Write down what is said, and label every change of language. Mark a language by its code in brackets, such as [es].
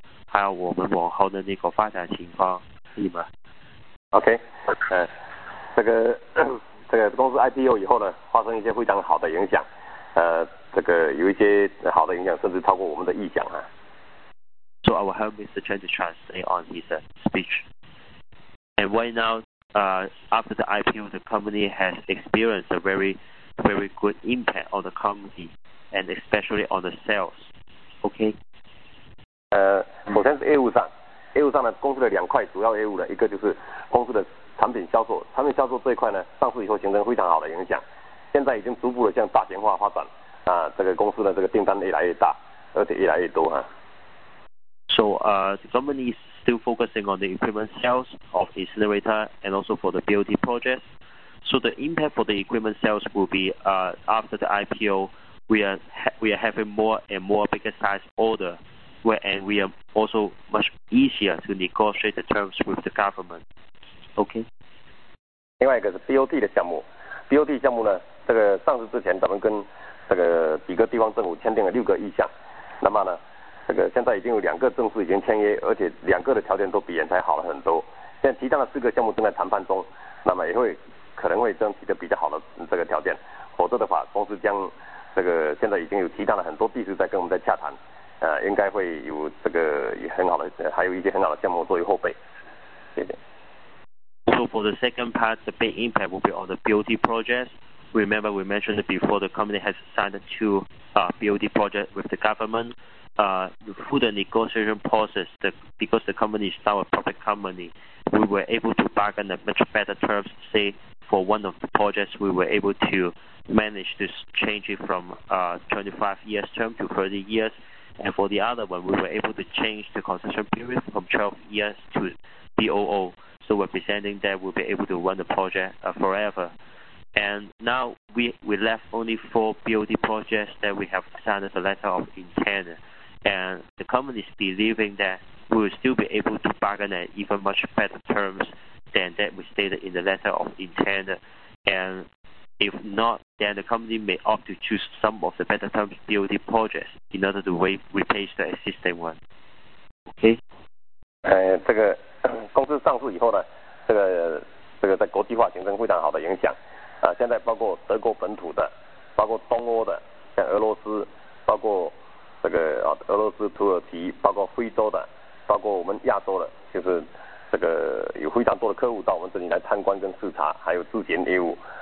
[zh] 陈总啊，我希望你可以讲一下我们的这个战略，还有我们往后的那个发展情况，可以吗？ OK， 这个公司 IPO 以后呢，发生一些非常好的影响，有一些好的影响，甚至超过我们的预想啊。 [en] So I will help Mr. Chen to translate on his speech. And right now, after the IPO, the company has experienced a very, very good impact on the company, and especially on the sales. Okay. [zh] 首先是业务上，业务上呢，公司的两块主要业务呢，一个就是公司的产品销售，产品销售这一块呢，上市以后形成非常好的影响，现在已经逐步的向大型化发展。啊，这个公司的这个订单越来越大，而且越来越多哈。 [en] So the company is still focusing on the equipment sales of incinerator and also for the BOT projects. So the impact for the equipment sales will be after the IPO, we are having more and more bigger size order, and we are also much easier to negotiate the terms with the government. Okay. [zh] 另外一个是 BOT 的项目 ，BOT 项目呢，这个上市之前咱们跟这个几个地方政府签订了六个意向，那么呢？这个现在已经有两个正式已经签约，而且两个的条件都比原材好了很多。现在其他的四个项目正在谈判中，那么也会可能会争取的比较好的这个条件。否则的话，公司将这个现在已经有其他的很多地主在跟我们在洽谈，应该会有这个很好的，还有一些很好的项目作为后备。谢谢。 [en] So for the second part, the big impact will be on the BOT projects. Remember, we mentioned before the company has signed two BOT projects with the government. Through the negotiation process, because the company is now a public company, we were able to bargain a much better terms. Say, for one of the projects, we were able to manage to change it from 25 years term to 30 years. And for the other one, we were able to change the concession period from 12 years to BOO. So we're presenting that we'll be able to run the project forever. And now we left only four BOD projects that we have signed a letter of intent. And the company is believing that we will still be able to bargain at even much better terms than that we stated in the letter of intent. And if not, then the company may opt to choose some of the better terms BOT projects in order to replace the existing one. Okay? [zh] 这个公司上市以后呢，这个在国际化形成非常好的影响。现在包括德国本土的，包括东欧的，像俄罗斯，包括这个俄罗斯、土耳其，包括非洲的，包括我们亚洲的，就是这个有非常多的客户到我们这里来参观跟视察，还有自检业务。